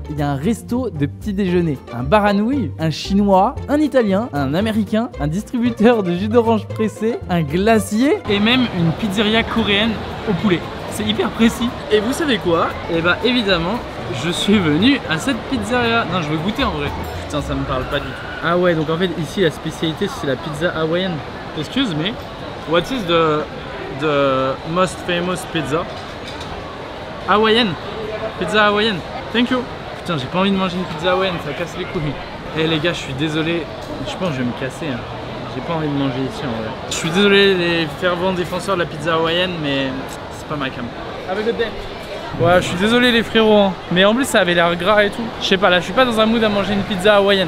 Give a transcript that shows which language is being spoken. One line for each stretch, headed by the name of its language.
French: Il y a un resto de petit déjeuner, un bar à nouilles, un chinois, un italien, un américain, un distributeur de jus d'orange pressé, un glacier et même une pizzeria coréenne au poulet. C'est hyper précis. Et vous savez quoi? Eh ben évidemment, je suis venu à cette pizzeria. Non, je veux goûter en vrai. Putain, ça me parle pas du tout. Ah ouais, donc en fait, ici, la spécialité, c'est la pizza hawaïenne.
English: Excuse me. What is the most famous pizza?
French: Hawaïenne. Pizza hawaïenne.
English: Thank you.
French: Putain, j'ai pas envie de manger une pizza hawaïenne, ça casse les couilles. Eh les gars, je suis désolé. Je pense que je vais me casser. Hein. J'ai pas envie de manger ici en vrai. Je suis désolé, les fervents défenseurs de la pizza hawaïenne, mais c'est pas ma cam.
English: Have a good day.
French: Ouais, je suis désolé les frérots, hein. Mais en plus ça avait l'air gras et tout. Je sais pas, là je suis pas dans un mood à manger une pizza hawaïenne.